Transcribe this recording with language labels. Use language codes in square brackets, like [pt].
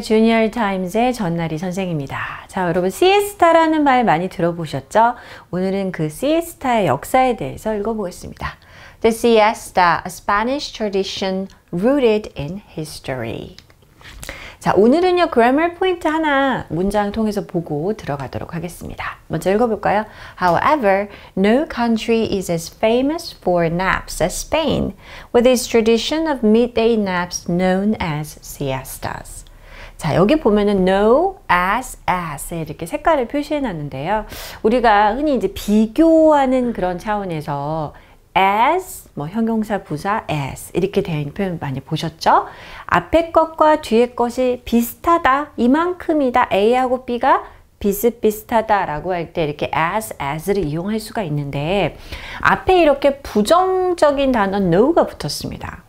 [ko] 주니어 타임즈의 전나리 선생입니다. 자, 여러분, 시에스타라는 말 많이 들어보셨죠? 오늘은 그 시에스타의 역사에 대해서 읽어보겠습니다. [en] The siesta, a Spanish tradition rooted in history. [ko] 자, 오늘은요, grammar point 하나 문장 통해서 보고 들어가도록 하겠습니다. 먼저 읽어볼까요? [en] However, no country is as famous for naps as Spain, with its tradition of midday naps known as siestas. [ko] 자, 여기 보면은 no, as 이렇게 색깔을 표시해 놨는데요. 우리가 흔히 이제 비교하는 그런 차원에서 as, 뭐 형용사 부사 as 이렇게 되어 있는 표현 많이 보셨죠? 앞에 것과 뒤에 것이 비슷하다, 이만큼이다, A하고 B가 비슷비슷하다 라고 할 때 이렇게 as를 이용할 수가 있는데 앞에 이렇게 부정적인 단어 no가 붙었습니다.